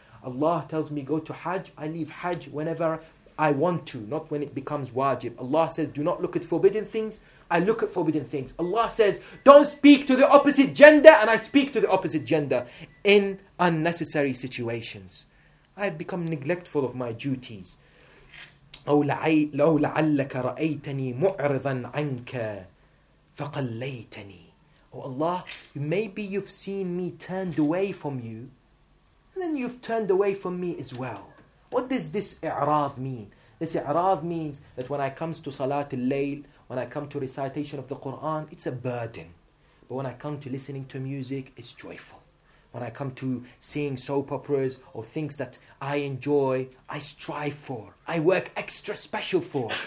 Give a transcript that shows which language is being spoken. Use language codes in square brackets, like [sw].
[en] Allah tells me go to hajj. I leave hajj whenever I want to, not when it becomes wajib. Allah says do not look at forbidden things. I look at forbidden things. Allah says don't speak to the opposite gender and I speak to the opposite gender in unnecessary situations. I've become neglectful of my duties. [ar] أو لعلك رأيتني معرضا عنك فقليتني. [en] Oh Allah, maybe you've seen me turned away from you, and then you've turned away from me as well. What does this i'raz mean? This i'raz means that when I come to Salat al-Layl, when I come to recitation of the Quran, it's a burden. But when I come to listening to music, it's joyful. When I come to seeing soap operas or things that I enjoy, I strive for, I work extra special for.